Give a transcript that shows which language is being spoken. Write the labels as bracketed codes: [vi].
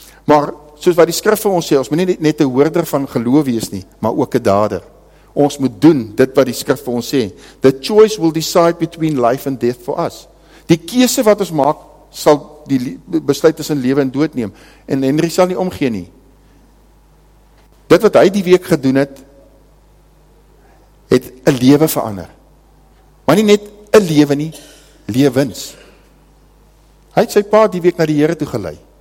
[af] Maar, soos wat die skrif vir ons sê, ons moet nie net een hoorder van geloof wees nie, maar ook een dader. Ons moet doen dit wat die skrif vir ons sê. [en] The choice will decide between life and death for us. [af] Die keuse wat ons maak, sal die besluit tussen lewe en dood neem. En Henry sal nie omgee nie. Dit wat hy die week gedoen het, het 'n lewe verander. Maar nie net 'n lewe nie, lewens. Hy het sy pa die week na die Here toe gelei.